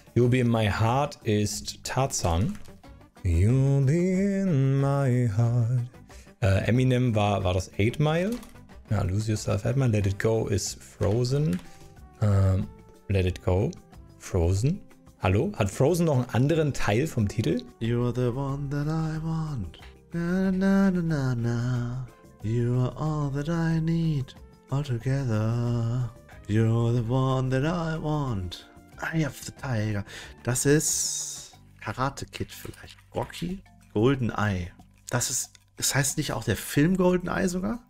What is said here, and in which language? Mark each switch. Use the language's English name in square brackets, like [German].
[German] You'll Be in My Heart ist Tarzan. [English] You'll be in my heart. [German] Eminem war das 8 Mile. Ja, Lose Yourself 8 Mile. Let It Go ist Frozen. Let It Go. Frozen. Hallo? Hat Frozen noch einen anderen Teil vom Titel? [English] You're the one that I want. Na na na na na. You are all that I need. All together. You're the one that I want. Eye of the Tiger. [German] Das ist Karate Kid vielleicht. Rocky? Golden Eye. Das heißt nicht auch der Film Golden Eye sogar?